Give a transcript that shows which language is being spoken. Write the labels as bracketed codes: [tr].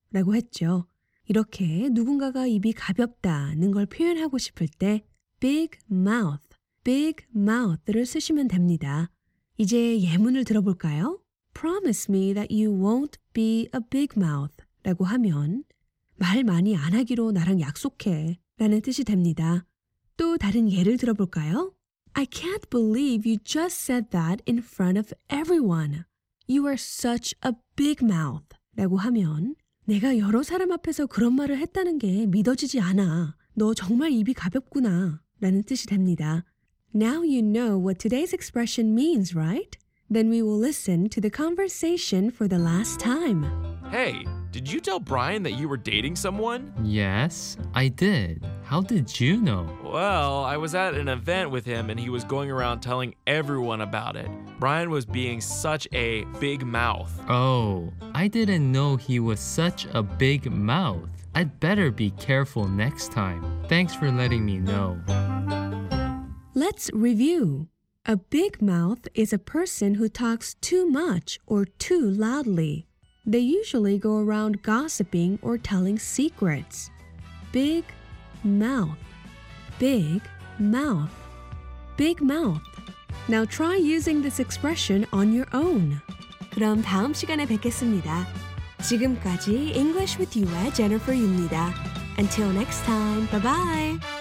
[ko] 라고 했죠. 이렇게 누군가가 입이 가볍다는 걸 표현하고 싶을 때 big mouth, big mouth를 쓰시면 됩니다. 이제 예문을 들어볼까요? [en] Promise me that you won't be a big mouth [ko] 라고 하면 말 많이 안 하기로 나랑 약속해 라는 뜻이 됩니다. 또 다른 예를 들어볼까요? [en] I can't believe you just said that in front of everyone. You are such a big mouth [ko] 라고 하면 내가 여러 사람 앞에서 그런 말을 했다는 게 믿어지지 않아. 너 정말 입이 가볍구나 라는 뜻이 됩니다. [en] Now you know what today's expression means, right? Then we will listen to the conversation for the last time. Hey, did you tell Brian that you were dating someone? Yes, I did. How did you know? Well, I was at an event with him and he was going around telling everyone about it. Brian was being such a big mouth. Oh, I didn't know he was such a big mouth. I'd better be careful next time. Thanks for letting me know. Let's review. A big mouth is a person who talks too much or too loudly. They usually go around gossiping or telling secrets. Big mouth. Big mouth. Big mouth. Now try using this expression on your own. [ko] 그럼 다음 시간에 뵙겠습니다. 지금까지 English with You의 Jennifer입니다. [en] Until next time, bye-bye!